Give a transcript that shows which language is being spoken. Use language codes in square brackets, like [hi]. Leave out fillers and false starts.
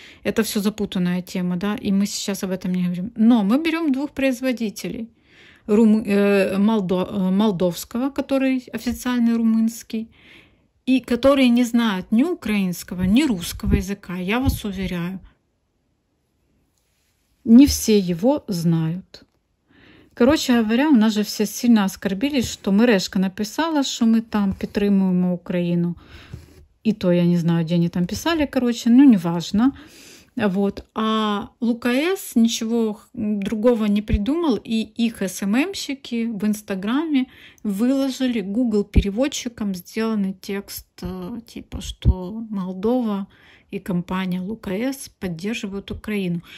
[ru] Это все запутанная тема, да, и мы сейчас об этом не говорим. Но мы берем двух производителей. Молдовского, который официальный румынский, и которые не знают ни украинского, ни русского языка, я вас уверяю. Не все его знают. Коротше говоря, у нас же все сильно оскорбились, что Мережка написала, [uk] що ми там підтримуємо Україну. І то я не знаю, де вони там писали, коротше, ну, неважно. Вот. [ru] А ЛукаС ничего другого не придумал, и их СММщики в Инстаграме выложили Google-переводчиком сделанный текст, типа, что Молдова и компания ЛукаС поддерживают Украину.